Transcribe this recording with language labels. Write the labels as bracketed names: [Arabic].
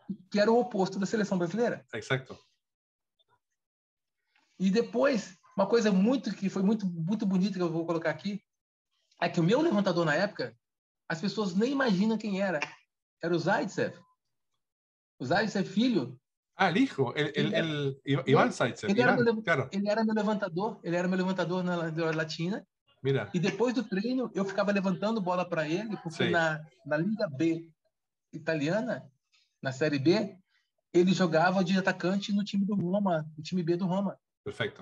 [Portuguese] Que era o oposto da seleção brasileira. [Spanish] Exacto. [Portuguese] E depois, uma coisa muito que foi muito, muito bonita, que eu vou colocar aqui, é que o meu levantador na época, as pessoas nem imaginam quem era. Era o Zaitsev. O Zaitsev filho, [Spanish] Ah, hijo, [Portuguese] ele era. [Spanish] el Iván Sáitzer, Iván, claro. [Portuguese] Ele era meu levantador na Latina. E [Spanish] Mira. [Portuguese] depois do treino, eu ficava levantando bola para ele, porque [Spanish] Sí. [Portuguese] na Liga B italiana, na Série B, ele jogava de atacante no time do Roma, no time B do Roma. Perfeito.